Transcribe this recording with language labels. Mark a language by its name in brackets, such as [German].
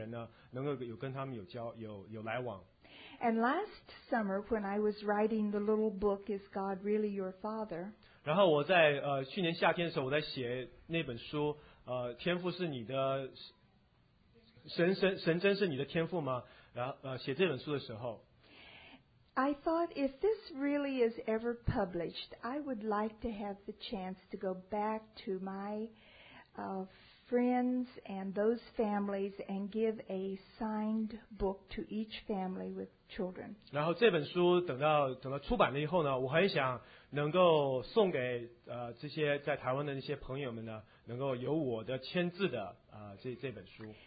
[Chinese] 然后我另外一个目的呢，要去的是因为我曾经在台湾的时候，我有跟有4个不同的组的人，不同的一个机构的人呢，能够有跟他们有来往。 [English] And last summer, when I was writing the little book, Is God Really Your Father? [Chinese] 然后我在去年夏天的时候，我在写那本书，天父是你的神，神真是你的天父吗？然后写这本书的时候。 [English] I thought if this really is ever published, I would like to have the chance to go back to my friends and those families and give a signed book to each family with children. [Chinese] 然后这本书等到出版了以后呢，我很想能够送给这些在台湾的那些朋友们呢，能够有我的签字的这本书。